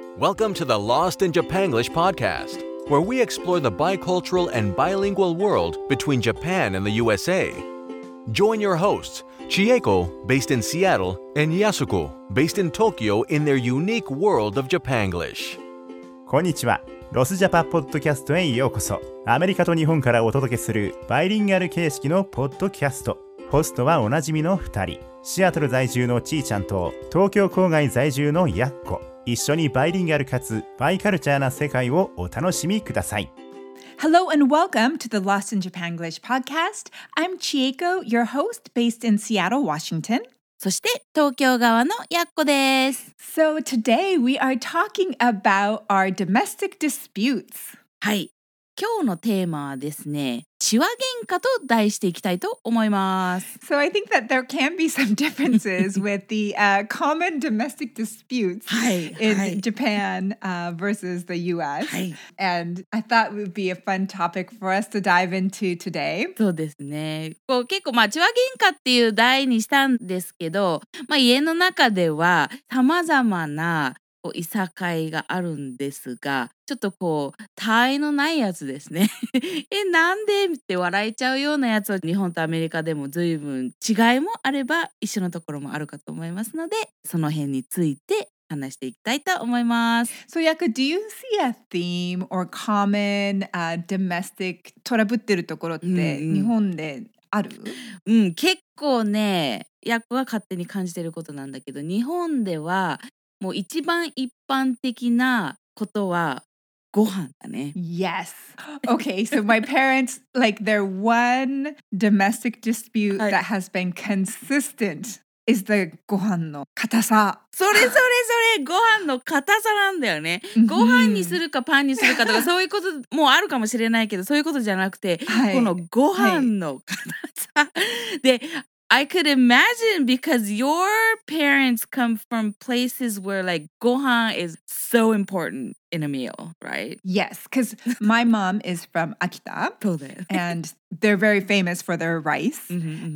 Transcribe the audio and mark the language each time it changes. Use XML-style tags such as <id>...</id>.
<en>Welcome to the Lost in Japan English podcast, where we explore the bicultural and bilingual world between Japan and the USA. Join your hosts, Chieko, based in Seattle, and Yasuko, based in Tokyo, in their unique world of Japanglish.</en> <ja>Konnichiwa. ロスジャパポッドキャストへようこそ。アメリカと日本からお届けするバイリンガル形式のポッドキャスト。ホストはおなじみの2人、シアトル在住のちーちゃんと東京郊外在住のやっこ。一緒にバイリンガルかつバイカルチャーな世界をお楽しみください。</ja> <en>Hello and welcome to the Lost in Japan English podcast. I'm Chieko, your host based in Seattle, Washington.</en> <ja>そして東京側のやっこです。</ja> <en>So today we are talking about our domestic disputes.</en> <ja>はい。今日のテーマはですね、チワ喧嘩と題していきたいと思います。</ja> <en>So I think that there can be some differences with the common domestic disputes in Japan versus the US. And I thought it would be a fun topic for us to dive into today.</en> <ja>そうですね。こう結構まあチワ喧嘩っていう題にしたんですけど、まあ家の中では様々ないさかいがあるんですが、ちょっとこう、たあいのないやつですね。え、なんでって笑いちゃうようなやつは、日本とアメリカでも随分違いもあれば、一緒のところもあるかと思いますので、その辺について話していきたいと思います。</ja> <en>So, Yaku, do you see a theme or common domestic</en> <ja>トラブってるところって日本である? うん、結構ね、ヤクは勝手に感じてることなんだけど、日本では、もう一番一般的なことはご飯だね。</ja> <en>Yes. Okay, so my parents, like their one domestic dispute that has been consistent is the</en> <ja>ご飯の硬さ。それそれそれ、ご飯の硬さなんだよね。ご飯にするかパンにするかとかそういうこともあるかもしれないけど、そういうことじゃなくて、このご飯の硬さ。</ja> <en>で、I could imagine because your parents come from places where like gohan is so important in a meal, right? Yes, because my mom is from Akita and they're very famous for their rice. Mm-hmm, mm-hmm.</en>